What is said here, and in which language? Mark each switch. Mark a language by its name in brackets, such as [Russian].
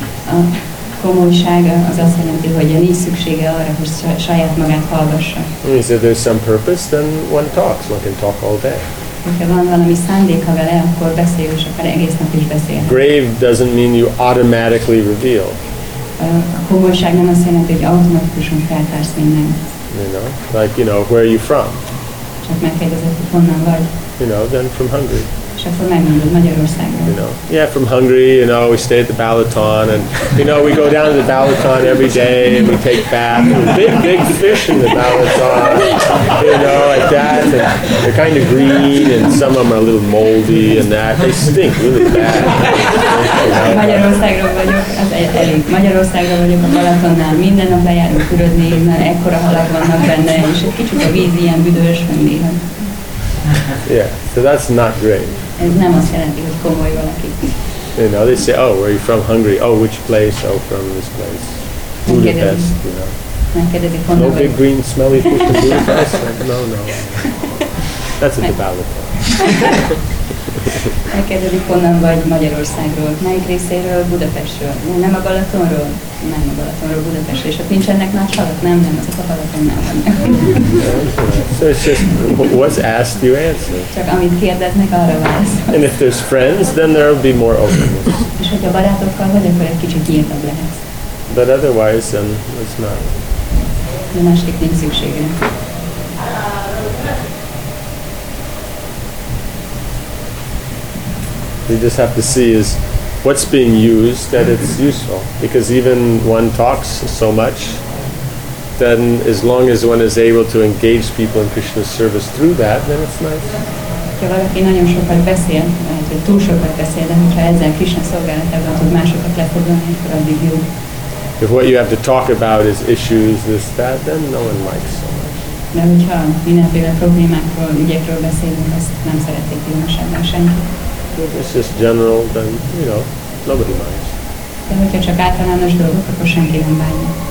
[Hungarian] A komolysága az azt jelenti, hogy nincs szüksége arra, hogy saját magát hallgassa. [English] Means if there's some purpose, then one talks. One can talk all day. [Hungarian] Ha van valami szándéka vele, akkor beszél, és akár egész nap is beszél. [English] Grave doesn't mean you automatically reveal. [Hungarian] A komolyság nem azt jelenti, hogy automatikusan feltársz mindent. [English] You know, like, you know, where are you from? [Hungarian] Csak megkérdezett, hogy honnan vagy. [English] You know, then from Hungary. [Hungarian] És akkor megmondod Magyarországon. [English] You know, yeah, from Hungary, you know, we stay at the Balaton, and, you know, we go down to the Balaton every day, and we take bath, and big fish in the Balaton, you know, like that, and they're kind of green, and some of them are a little moldy, and that, they stink really bad. [Hungarian] Magyarországról vagyok, ez elég. Magyarországról vagyok a Balatonnál, minden nap lejárunk ürödni, mert ekkora halak vannak benne, és egy kicsit a víz ilyen büdös, meg néha. [English] Yeah, so that's not great. [Hungarian] Ez nem azt jelenti, hogy komoly valaki. [English] You know, they say, oh, where are you from? Hungary. Oh, which place? Oh, from this place. Budapest, you know. [Hungarian] Megkérdezik, [English] no big green smelly fish in Budapest? No. That's at the Balaton. [Hungarian] Megkérdezik, honnan vagy Magyarországról. Melyik részéről? Budapestről. Nem a Balatonról? Nem a Balatonról, Budapestről. És ott nincsenek nagy halak? Nem, azok a Balatonnál vannak. [English] So it's just what's asked, you answer. [Hungarian] Csak amit kérdeznek, arra válaszol. [English] And if there's friends, then there will be more openness. [Hungarian] És hogyha barátokkal vagy, akkor egy kicsit nyíltabb lehetsz. [English] But otherwise, then it's not. [Hungarian] De másképp nincs szükségre. [English] You just have to see is what's being used, that it's useful. Because even one talks so much, then as long as one is able to engage people in Krishna's service through that, then it's nice. [Hungarian] hogyha valaki nagyon sokat beszél, lehet, hogy túl sokat beszél, de hogyha ezzel Krishna szolgálatában tud másokat lefoglalni, akkor addig jó. [English] If what you have to talk about is issues, this, that, then no one likes so much. [Hungarian] De hogyha mindenféle problémákról, ügyekről beszélünk, azt nem szeretik különösebben senki. [English] It's just general, then, you know, nobody minds. [Hungarian] De hogyha csak általános dolgok, akkor senki nem bánja.